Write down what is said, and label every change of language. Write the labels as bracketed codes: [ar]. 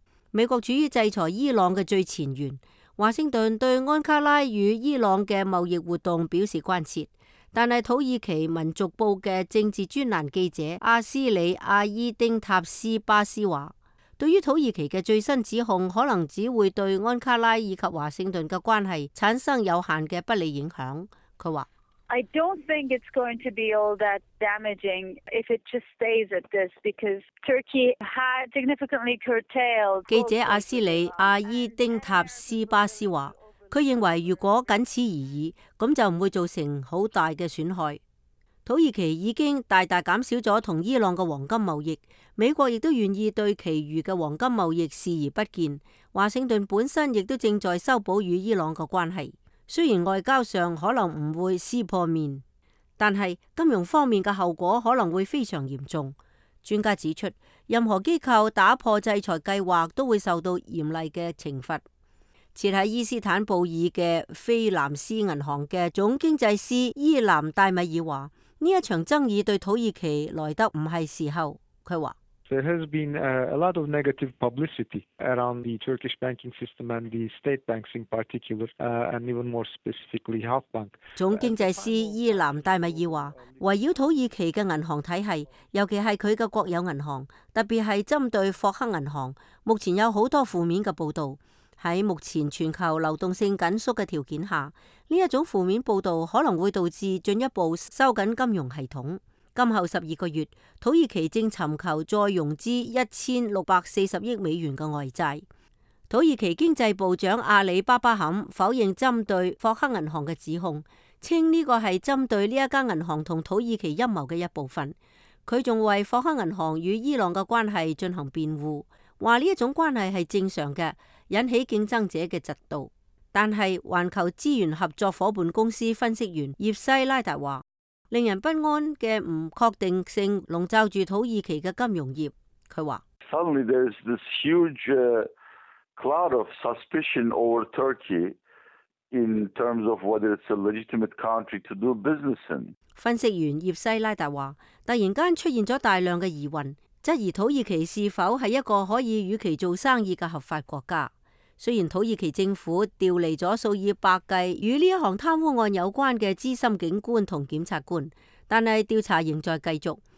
[yue] 美国处于制裁伊朗的最前沿，华盛顿对安卡拉与伊朗的贸易活动表示关切，但是土耳其民族报的政治专栏记者阿斯里阿伊丁塔斯巴斯说，对于土耳其的最新指控可能只会对安卡拉以及华盛顿的关系产生有限的不利影响。他说 [en] I don't think it's going to be all that damaging if it just stays at this because Turkey had significantly curtailed. [yue] 记者阿斯里阿伊丁塔斯巴斯说，他认为如果仅此而已，那就不会造成很大的损害。土耳其已经大大减少了同伊朗的黄金贸易，美国亦都愿意对其余的黄金贸易视而不见。华盛顿本身亦都正在修补与伊朗的关系。虽然外交上可能不会撕破面，但是金融方面的后果可能会非常严重。专家指出，任何机构打破制裁计划都会受到严厉的惩罚。设在伊斯坦布尔的菲兰斯银行的总经济师伊兰戴米尔说，这一场争议对土耳其来得不是时候。他说 [en] There has been a lot of negative publicity around the Turkish banking system and the state banks in particular, and even more specifically, Halk Bank. [yue] 总经济师伊兰戴米尔说，围绕土耳其的银行体系，尤其是他的国有银行，特别是针对霍克银行，目前有很多负面的报道。在目前全球流动性紧缩的条件下，这种负面报道可能会导致进一步收紧金融系统。今后十二个月，土耳其正寻求再融资1640亿美元的外债。土耳其经济部长阿里巴巴坎否认针对霍克银行的指控，称这个是针对这家银行和土耳其阴谋的一部分。他还为霍克银行与伊朗的关系进行辩护，说这种关系是正常的，引起竞争者的嫉妒。但是环球资源合作伙伴公司分析员叶西拉达说，令人不安的不确定性笼罩住土耳其的金融业。他说 [en] Suddenly there is this huge cloud of suspicion over Turkey in terms of whether it's a legitimate country to do business in. [yue] 分析员叶西拉达说，突然间出现了大量的疑问，质疑土耳其是否是一个可以与其做生意的合法国家。虽然土耳其政府调离了数以百计与这项贪污案有关的资深警官和检察官，但是调查仍在继续。